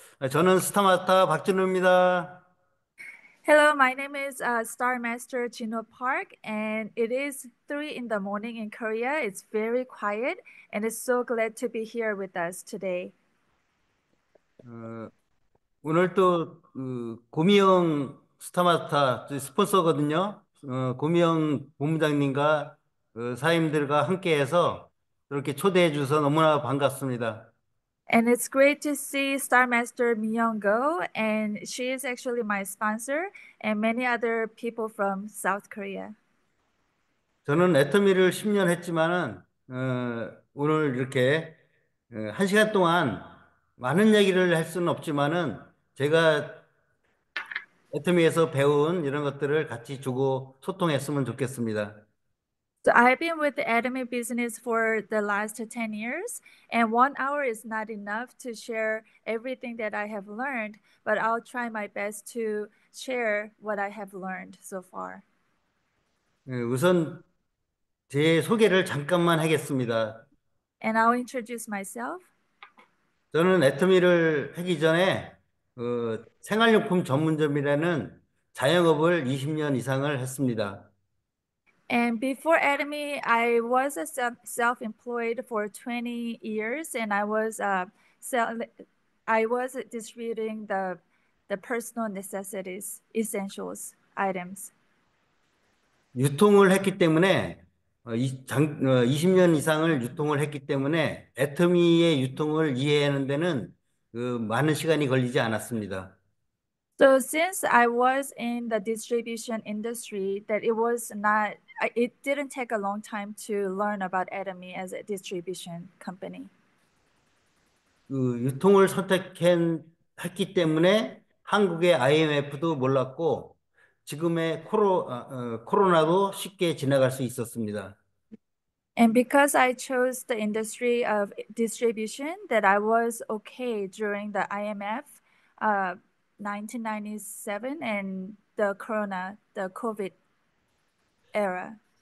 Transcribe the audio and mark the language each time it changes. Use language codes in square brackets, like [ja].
[ko] 저는 스타마타 박진우입니다. [en] Hello, my name is Star Master Juno Park, and it is 3 in the morning in Korea. It's very quiet, and it's so glad to be here with us today. [ko] 오늘 또 고미영 스타마타 스폰서거든요. 고미영 본부장님과 사임들과 함께해서 이렇게 초대해 주셔서 너무나 반갑습니다. [en] And it's great to see Star Master Miyoung go, and she is actually my sponsor, and many other people from South Korea. [ko] 저는 애터미를 10년 했지만은 오늘 이렇게 한 시간 동안 많은 얘기를 할 수는 없지만은 제가 애터미에서 배운 이런 것들을 같이 주고 소통했으면 좋겠습니다. [en] So I've been with the anime business for the last 10 years, and 1 hour is not enough to share everything that I have learned, but I'll try my best to share what I have learned so far. [ko] 우선 제 소개를 잠깐만 하겠습니다. [en] And I'll introduce myself. [ko] 저는 애터미를 하기 전에 생활용품 전문점이라는 자영업을 20년 이상을 했습니다. [en] And before Atomy, I was a self-employed for 20 years, and I was distributing the personal necessities, essentials items. [ko] 유통을 했기 때문에 20년 이상을 유통을 했기 때문에 애터미의 유통을 이해하는 데는 많은 시간이 걸리지 않았습니다. [en] So since I was in the distribution industry, that it was not. It didn't take a long time to learn about Atomy as a distribution company. [ko] 유통을 했기 때문에 한국의 IMF도 몰랐고 지금의 코로나도 쉽게 지나갈 수 있었습니다. [en] And because I chose the industry of distribution, that I was okay during the IMF, 1997 and the COVID era.